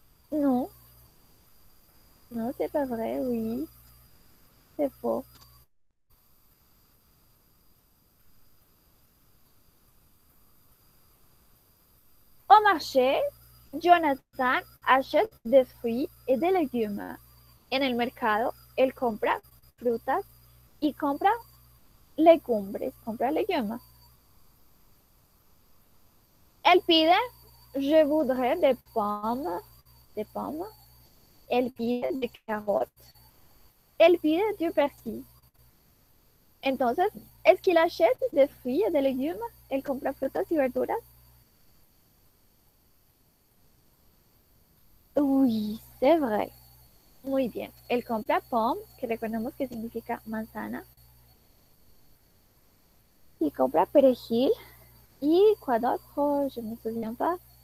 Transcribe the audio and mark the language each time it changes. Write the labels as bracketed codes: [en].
[fr] Non. Non, c'est pas vrai, oui. C'est faux. Au marché, Jonathan achète des fruits et des légumes. [es] En el mercado, él compra frutas y compra legumbres, compra légumes. Él pide, [fr] je voudrais des pommes. Él pide des carottes. [es] Él pide [fr] du persil. [es] Entonces, [fr] ¿es qu'il achète des fruits et des légumes? [es] Él compra frutas y verduras. [fr] Oui, c'est vrai. [es] Muy bien. Él compra pomme, que recordemos que significa manzana. Y compra perejil. [fr] Y quoi d'autre, je me souviens pas.